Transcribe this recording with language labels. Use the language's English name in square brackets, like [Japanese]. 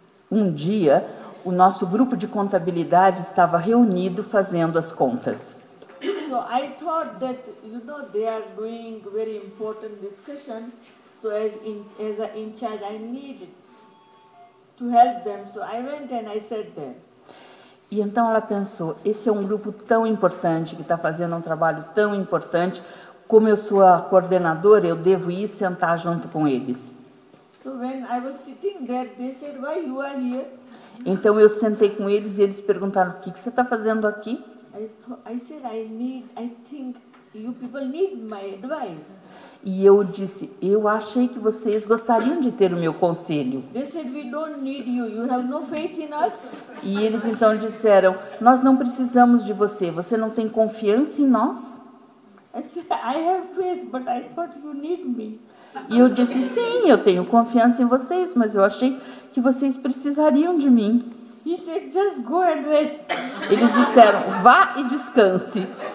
[Portuguese] Um dia, o nosso grupo de contabilidade estava reunido fazendo as contas. [English] So I thought that, you know, they are doing very important discussion. So as a in charge, I needed to help them. So I went and I said there. [Portuguese] E então ela pensou, esse é um grupo tão importante, que está fazendo um trabalho tão importante, como eu sou a coordenadora, eu devo ir sentar junto com eles. [English] So when I was sitting there, they said, why you are here? [Portuguese] Então eu sentei com eles e eles perguntaram, o que, que você está fazendo aqui? [English] I think you people need my advice. [Portuguese] E eu disse, eu achei que vocês gostariam de ter o meu conselho. [English] They said, we don't need you. You have no faith in us. [Portuguese] E eles então disseram, nós não precisamos de você. Você não tem confiança em nós? [English] I said, I have faith, but I thought you need me. [Portuguese] E eu disse, sim, eu tenho confiança em vocês, mas eu achei que vocês precisariam de mim. [English] He said, just go and rest. [Portuguese] Eles disseram, vá e descanse.